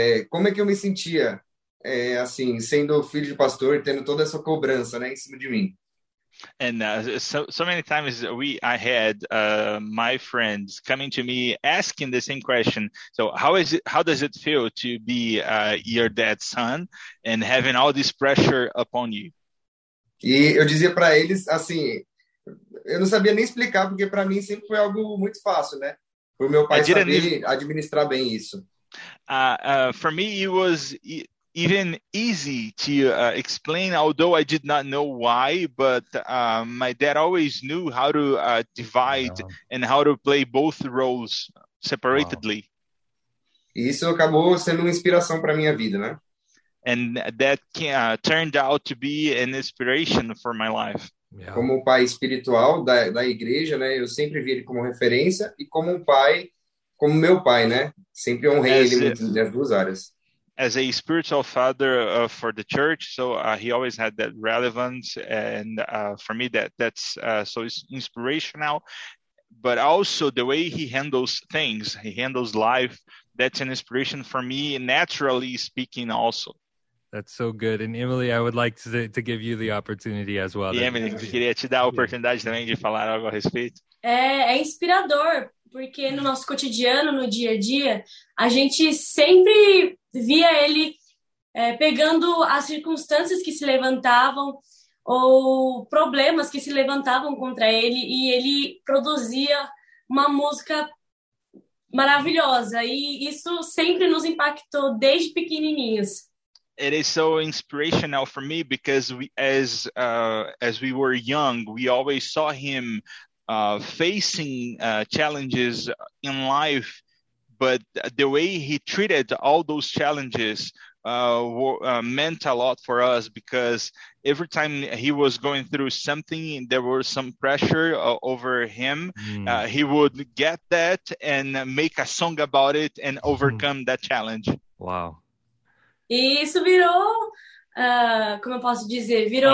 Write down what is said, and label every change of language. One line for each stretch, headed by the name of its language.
Portuguese: Como é que eu me sentia, assim, sendo filho de pastor, tendo toda essa cobrança, né, em cima de mim?
English: And so many times I had my friends coming to me asking the same question. So how does it feel to be your dad's son and having all this pressure upon you?
Portuguese: E eu dizia para eles, assim, eu não sabia nem explicar, porque para mim sempre foi algo muito fácil, né? Para o meu
English: I
Portuguese: pai
English: didn't even.
Portuguese: saber administrar bem isso.
English: For me, it was even easy to explain, although I did not know why, but my dad always knew how to divide and how to play both roles separately.
Portuguese: Isso acabou sendo uma inspiração para minha vida, né?
English: And that turned out to be an inspiration for my life.
Portuguese: Como pai espiritual da igreja, né? Eu sempre vi ele como referência e como um pai, como meu pai, né? Sempre honrei ele muito nas duas áreas.
English: As a spiritual father for the church, so he always had that relevance, and for me that's so inspirational. But also the way he handles things, he handles life, that's an inspiration for me, naturally speaking, also. That's so good. And Emily, I would like to give you the opportunity as well.
Portuguese: E Emily, queria te dar a oportunidade também de falar algo a respeito. É inspirador, porque no nosso cotidiano, no dia a dia, a gente sempre via ele pegando as circunstâncias que se levantavam ou problemas que se levantavam contra ele, e ele produzia uma música maravilhosa, e isso sempre nos impactou desde pequenininhos.
English: It is so inspirational for me because we, as we were young, we always saw him facing challenges in life, but the way he treated all those challenges meant a lot for us because every time he was going through something, there was some pressure over him. He would get that and make a song about it and overcome that challenge. Wow.
Portuguese: E isso virou, como eu posso dizer, virou